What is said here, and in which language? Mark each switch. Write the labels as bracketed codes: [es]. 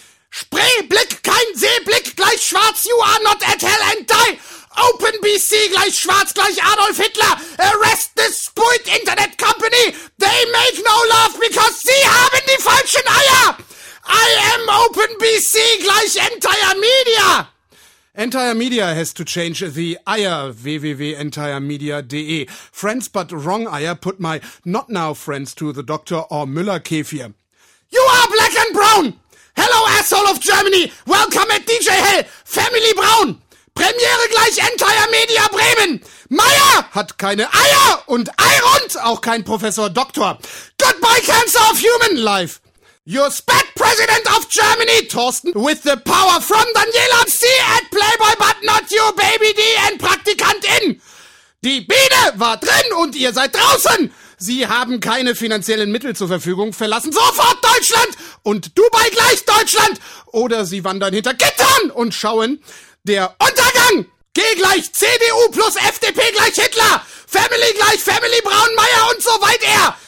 [en] Spreeblick, [de] kein Seeblick, gleich schwarz, [en] you are not at hell and die. Open BC, [de] gleich schwarz, gleich [en] Adolf Hitler. Arrest this spoiled Internet Company. They make no love, because [de] sie haben die falschen Eier. [en] I am Open BC, gleich Entire Media. Entire Media has to change the eier, www.entiremedia.de. Friends but wrong eier put my not now friends to the doctor or Müller Kefir. You are black and brown. Hello, asshole of Germany! Welcome at DJ Hell! Family Braun! Premiere gleich Entire Media Bremen! [de] Meier hat keine Eier und Eirund auch kein Professor Doktor! [en] Goodbye, Cancer of Human Life! Your spat president of Germany, Thorsten, with the power from Daniela C. at Playboy, but not your baby D. and Praktikantin. [de] Die Biene war drin und ihr seid draußen. Sie haben keine finanziellen Mittel zur Verfügung. Verlassen sofort Deutschland und Dubai gleich Deutschland. Oder sie wandern hinter Gittern und schauen der Untergang. G gleich CDU plus FDP gleich Hitler. Family gleich Family Braun-Meyer und so weiter.